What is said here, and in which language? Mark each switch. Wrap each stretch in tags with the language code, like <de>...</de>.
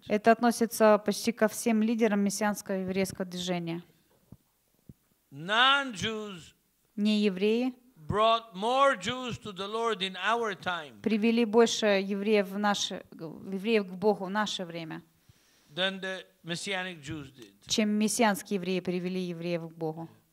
<ru>Это относится почти ко всем лидерам мессианского еврейского движения.</ru> <en>Non-Jews.</en> <ru>Не евреи.</ru> <en>Brought more Jews to the Lord in our time.</en> <ru>Привели больше евреев к Богу в наше время.</ru> <en>Than the messianic Jews did.</en> <ru>Чем мессианские евреи привели евреев к Богу.</ru>